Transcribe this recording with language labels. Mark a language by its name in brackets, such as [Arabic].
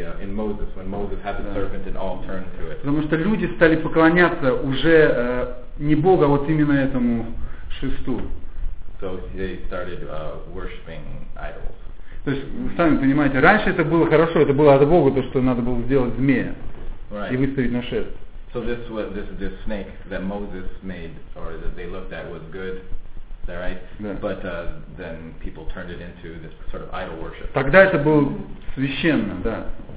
[English] In Moses, when Moses had the serpent, it all turned to it. [Russian] Потому что люди стали поклоняться уже не Богу, а вот именно этому шесту. [English] So they started worshiping idols. [Russian] То есть, сами понимаете, раньше это было хорошо, это было от Бога, то, что надо было сделать змея [English] right. [Russian] и выставить на шест. [English] So this was this snake that Moses made or that they looked at was good, is that right? Yeah. But then people turned it into this sort of idol worship. [Russian] Тогда это было священно, да.